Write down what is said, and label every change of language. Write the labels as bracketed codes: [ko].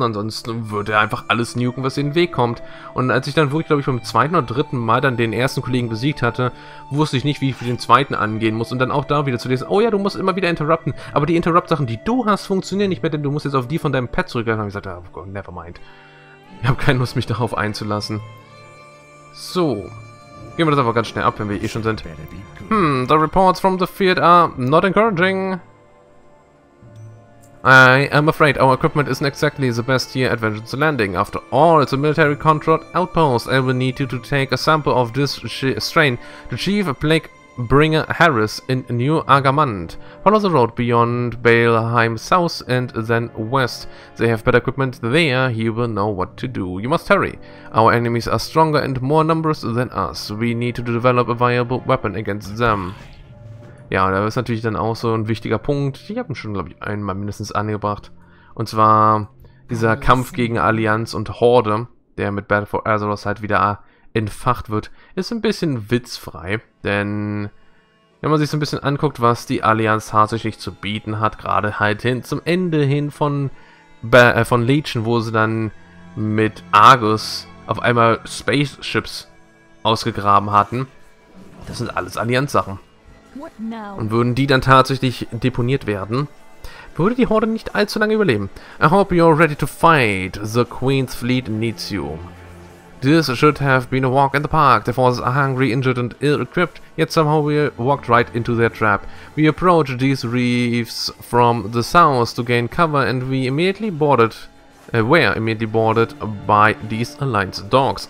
[de] Ansonsten würde er einfach alles nuken, was in den Weg kommt. Und als ich dann wirklich, glaube ich, beim zweiten oder dritten Mal dann den ersten Kollegen besiegt hatte, wusste ich nicht, wie ich für den zweiten angehen muss. Und dann auch da wieder zu lesen, oh ja, du musst immer wieder interrupten. Aber die Interrupt-Sachen, die du hast, funktionieren nicht mehr, denn du musst jetzt auf die von deinem Pet zurückgehen. Und dann habe ich gesagt, oh Gott, [en] never mind. [de] Ich habe keine Lust, mich darauf einzulassen. So. Gehen wir das einfach ganz schnell ab, wenn wir eh schon sind. [en] The reports from the field are not encouraging. I am afraid our equipment isn't exactly the best here at Vengeance Landing. After all, it's a military-controlled outpost. I will need you to take a sample of this strain to Chief Plaguebringer Harris in New Agamand. Follow the road beyond Baleheim south and then west. They have better equipment there. He will know what to do. You must hurry. Our enemies are stronger and more numerous than us. We need to develop a viable weapon against them. [de] Ja, da ist natürlich dann auch so ein wichtiger Punkt. Ich habe ihn schon, glaube ich, einmal mindestens angebracht. Und zwar dieser Kampf gegen Allianz und Horde, der mit Battle for Azeroth halt wieder entfacht wird, ist ein bisschen witzfrei. Denn wenn man sich so ein bisschen anguckt, was die Allianz tatsächlich zu bieten hat, gerade halt hin zum Ende hin von Legion, wo sie dann mit Argus auf einmal Spaceships ausgegraben hatten. Das sind alles Allianz-Sachen. Und würden die dann tatsächlich deponiert werden, würde die Horde nicht allzu lange überleben. [en] I hope you're ready to fight. The Queen's fleet needs you. This should have been a walk in the park. The forces are hungry, injured and ill-equipped, yet somehow we walked right into their trap. We approached these reefs from the south to gain cover and were immediately boarded by these Alliance dogs.